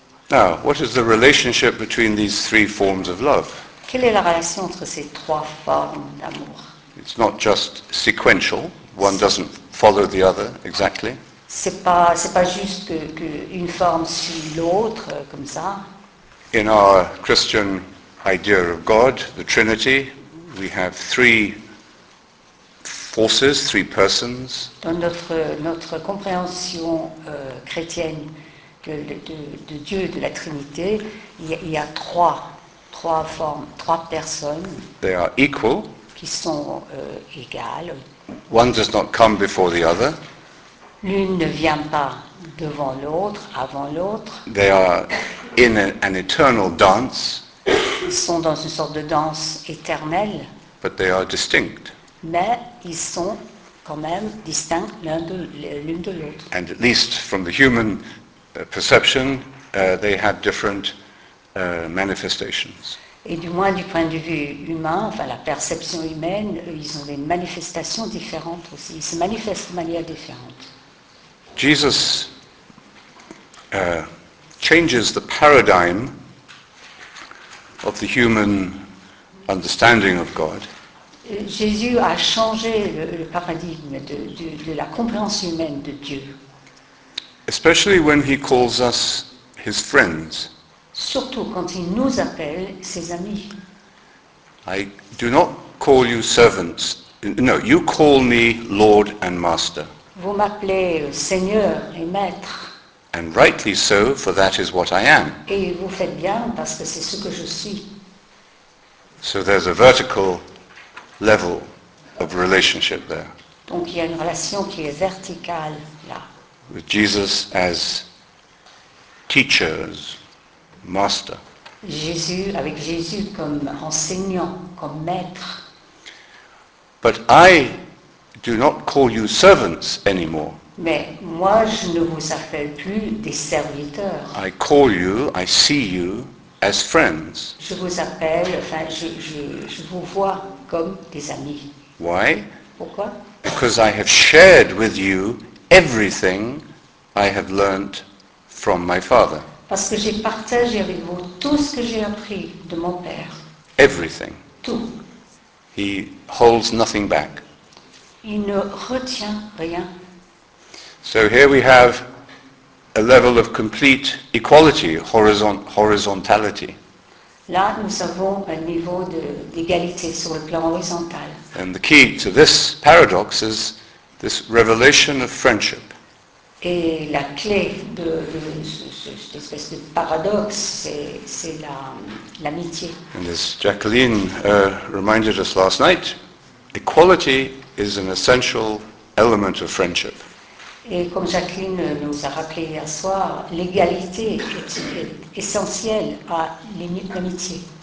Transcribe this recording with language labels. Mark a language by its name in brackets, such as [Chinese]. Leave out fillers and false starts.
[English] Now, what is the relationship between these three forms of love? [French] Quelle est la relation entre ces trois formes d'amour? [English] It's not just sequential. One doesn't follow the other exactly. [French] C'est pas juste que une forme suit l'autre comme ça. [English] In our Christian idea of God, the Trinity, we have three forces, three persons. [French] Dans notre compréhension chrétienne de Dieu, de la Trinité, il y a trois formes, trois personnes. [English] They are equal. [French] Qui sont égales. [English] One does not come before the other. [French] L'une ne vient pas devant l'autre, avant l'autre. [English] They are in an eternal dance. [French] Ils sont dans une sorte de danse éternelle. [English] But they are distinct. [French] Mais ils sont quand même distincts l'une de l'autre. [English] And at least from the human perception, they have different manifestations. [French] Et du moins du point de vue humain, enfin la perception humaine, ils ont des manifestations différentes aussi. Ils se manifestent de manière différente. [English] Jesus changes the paradigm of the human understanding of God. [French] Jésus a changé le paradigme de la compréhension humaine de Dieu. [English] Especially when he calls us his friends. [French] Surtout quand il nous appelle ses amis. [English] I do not call you servants. No, you call me Lord and Master. [French] Vous m'appelez Seigneur et Maître. [English] And rightly so, for that is what I am. [French] Et vous faites bien parce que c'est ce que je suis. [English] So there's a vertical level of relationship there. [French] Donc il y a une relation qui est verticale là. [English] With Jesus as teachers. Master. [French] Jésus, avec Jésus comme enseignant, comme maître. [English] But I do not call you servants anymore. [French] Mais moi, je ne vous appelle plus des serviteurs. [English] I call you, I see you as friends. [French] Je vous appelle, enfin, je vous vois comme des amis. [English] Why? [French] Pourquoi? [English] Because I have shared with you everything I have learned from my Father. [French] Parce que j'ai partagé avec vous tout ce que j'ai appris de mon Père. [English] Everything. [French] Tout. [English] He holds nothing back. [French] Il ne retient rien. [English] So here we have a level of complete equality, horizontality. [French] Là, nous avons un niveau d'égalité sur le plan horizontal. [English] And the key to this paradox is this revelation of friendship. [French] Et la clé de cette espèce de paradoxe, c'est l'amitié. [English] And as Jacqueline reminded us last night, equality is an essential element of friendship. [French] Et comme Jacqueline nous a rappelé hier soir, l'égalité est essentielle à l'amitié.